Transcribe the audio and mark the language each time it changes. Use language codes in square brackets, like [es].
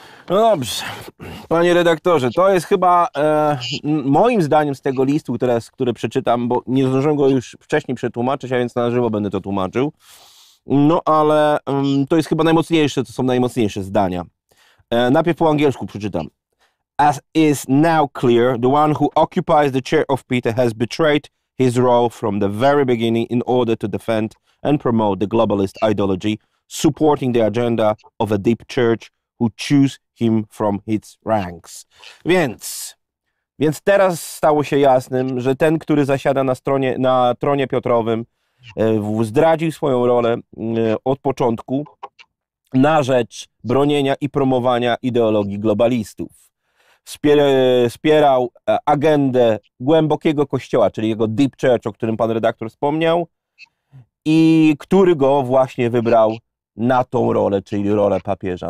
[pl] No dobrze, panie redaktorze, to jest chyba moim zdaniem z tego listu, który przeczytam, bo nie zdążyłem go już wcześniej przetłumaczyć, a więc na żywo będę to tłumaczył. No ale to jest chyba najmocniejsze, to są najmocniejsze zdania. Najpierw po angielsku przeczytam. [en] As is now clear, the one who occupies the chair of Peter has betrayed his role from the very beginning in order to defend and promote the globalist ideology, supporting the agenda of a deep church who choose him from its ranks. [pl] Więc teraz stało się jasnym, że ten, który zasiada na tronie Piotrowym, zdradził swoją rolę od początku na rzecz bronienia i promowania ideologii globalistów. Wspierał agendę głębokiego kościoła, czyli jego deep church, o którym pan redaktor wspomniał, i który go właśnie wybrał na tą rolę, czyli rolę papieża.